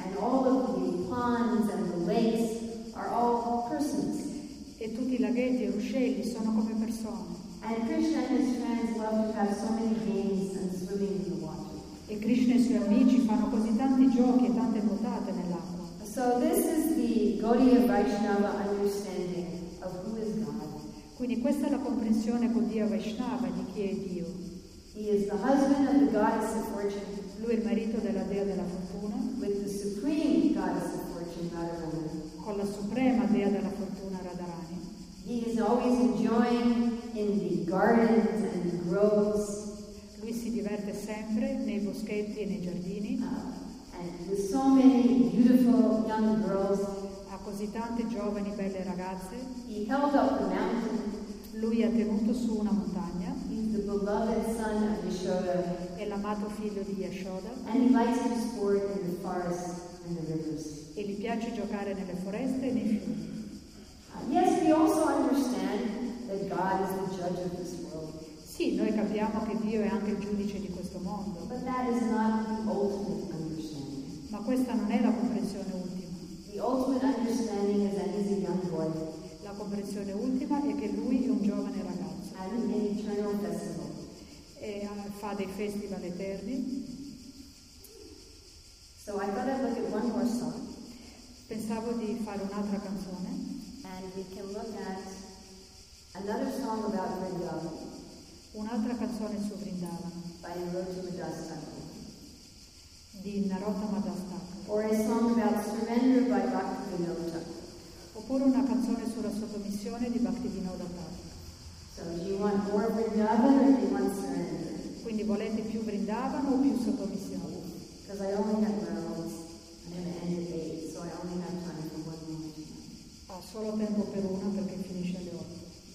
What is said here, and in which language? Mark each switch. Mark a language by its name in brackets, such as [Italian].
[English] And all of the ponds and the lakes are all persons. [Italian] E tutti I laghetti e ruscelli sono come persone. [English] And Krishna and his friends love to have so many games and swimming in the water. [Italian] E Krishna e I suoi amici fanno così tanti giochi e tante nuotate nell'acqua. [English] So this is the Gaudiya Vaishnava understanding of who is God. [Italian] Quindi questa è la comprensione con Dio Vaishnava di chi è Dio. [English] He is the husband of the goddess of fortune. [Italian] Lui è il marito della dea della fortuna. [English] With the supreme goddess of fortune, Radharani. [Italian] Con la suprema dea della fortuna, Radharani. [English] He is always enjoying in the gardens and the groves. [Italian] Lui si diverte sempre nei boschetti e nei giardini. [English] And with so many beautiful young girls. [Italian] Ha così tante giovani belle ragazze. [English] He held up the mountain. [Italian] Lui ha tenuto su una montagna. [English] The beloved son of Yashoda. [Italian] È l'amato figlio di Yashoda. [English] And he likes to sport in the forests and the rivers. [Italian] E gli piace giocare nelle foreste e nei fiumi. [English] Yes, we also understand that God is the judge of this world. [Italian] Sì, noi capiamo che Dio è anche il giudice di questo mondo. [English] But that is not the ultimate understanding. [Italian] Ma questa non è la comprensione ultima. [English] The ultimate understanding is that he's a young boy. [Italian] La comprensione ultima è che lui è un giovane ragazzo. [English] And an eternal festival. [Italian] E fa dei festival eterni. [English] So I thought I'd look at one more song. [Italian] Pensavo di fare un'altra canzone. [English] And we can look at another song about Vrindavan. [Italian] Un'altra canzone su Vrindavan. [English] By Narottama Das Thakur. [Italian] Di Narottama Das Thakur. [English] Or a song about surrender by Bhaktivinoda Thakur. [Italian] Oppure una canzone sulla sottomissione di Bhaktivinoda Thakur. [English] So do you want more Vrindavan or do you want surrender? [Italian] Quindi volete più Vrindavan o più sottomissione? [English] Because I only have girls and an end of age, so I only have time for one more. [Italian] Ho solo tempo per una perché finisce alle 8.